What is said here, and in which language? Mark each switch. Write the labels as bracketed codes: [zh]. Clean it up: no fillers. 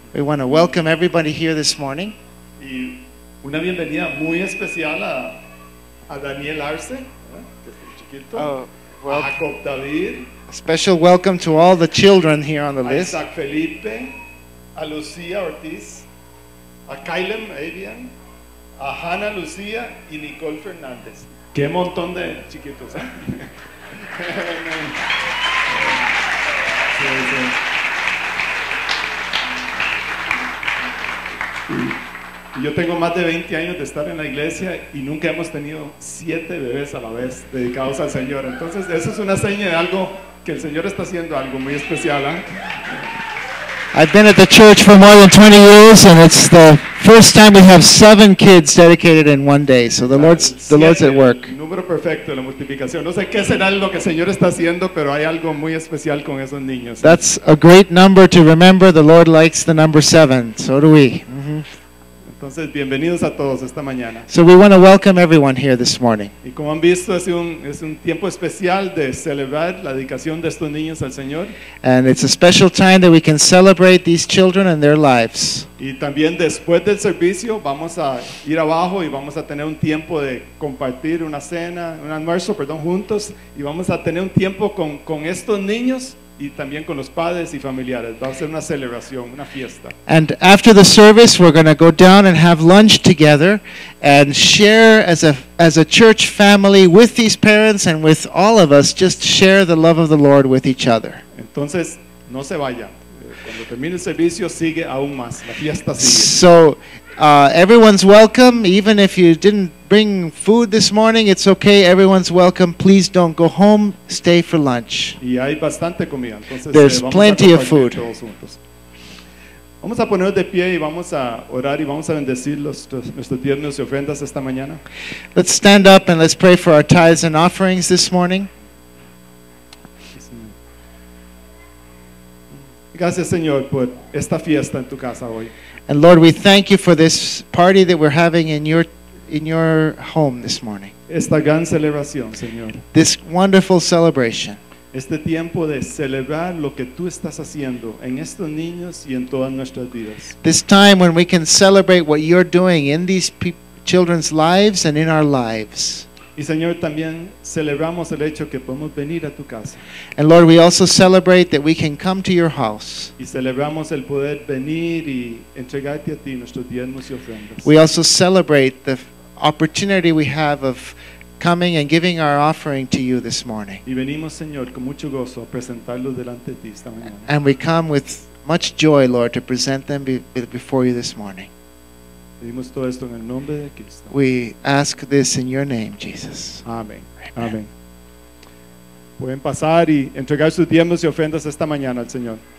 [en] We want to welcome everybody here this morning. [es] Y una bienvenida muy especial a Daniel Arce, que es el chiquito. [en] Oh, well, [es] a Jacob David. [en] A special welcome to all the children here on the a list. [es] A Isaac Felipe, a Lucía Ortiz, a Kylem Avian, a Hannah Lucía y Nicole Fernández. Qué montón de chiquitos. Sí, sí. Yo tengo más de 20 años de estar en la iglesia y nunca hemos tenido 7 bebés a la vez dedicados al Señor. Entonces, eso es una seña de algo que el Señor está haciendo, algo muy especial, ¿eh? [en] I've been at the church for more than 20 years and it's the first time we have 7 kids dedicated in one day. So the Lord's at work. [es] El número perfecto de la multiplicación. No sé qué será lo que el Señor está haciendo, pero hay algo muy especial con esos niños. [en] That's a great number to remember. The Lord likes the number 7. So do we. [es] Entonces, bienvenidos a todos esta mañana. [en] So we want to welcome everyone here this morning. [es] Y como han visto, es un tiempo especial de celebrar la dedicación de estos niños al Señor. [en] And it's a special time that we can celebrate these children and their lives. [es] Y también después del servicio vamos a ir abajo y vamos a tener un tiempo de compartir una cena, un almuerzo, perdón, juntos, y vamos a tener un tiempo con estos niños y también con los padres y familiares. Va a ser una celebración, una fiesta. [en] And after the service, we're going to go down and have lunch together and share as a church family with these parents and with all of us, just share the love of the Lord with each other. [es] Entonces, no se vayan. Cuando termine el servicio, sigue aún más. La fiesta sigue. [en] So, everyone's welcome. Even if you didn't bring food this morning, it's okay. Everyone's welcome. Please don't go home. Stay for lunch. [es] Y hay bastante comida. Entonces, [en] there's plenty of food. [es] Vamos a ponernos de pie y vamos a orar y vamos a bendecir nuestros diezmos y ofrendas esta mañana. [en] Let's stand up and let's pray for our tithes and offerings this morning. [es] Gracias, Señor, por esta fiesta en tu casa hoy. [en] And Lord, we thank you for this party that we're having in your home this morning. [es] Esta gran celebración, Señor. [en] This wonderful celebration. [es] Este tiempo de celebrar lo que tú estás haciendo en estos niños y en todas nuestras vidas. [en] This time when we can celebrate what you're doing in these children's lives and in our lives. [es] Y Señor, también celebramos el hecho que podemos venir a tu casa. [en] And Lord, we also celebrate that we can come to your house. [es] Y celebramos el poder venir y entregarte a ti nuestros diezmos y ofrendas. [en] We also celebrate the opportunity we have of coming and giving our offering to you this morning. [es] Y venimos, Señor, con mucho gozo a presentarlo delante de ti esta mañana. [en] And we come with much joy, Lord, to present them before you this morning. [es] Pedimos todo esto en el nombre de Cristo. [en] We ask this in your name, Jesus. [es] Amén. Amén. Pueden pasar y entregar sus diezmos y ofrendas esta mañana al Señor.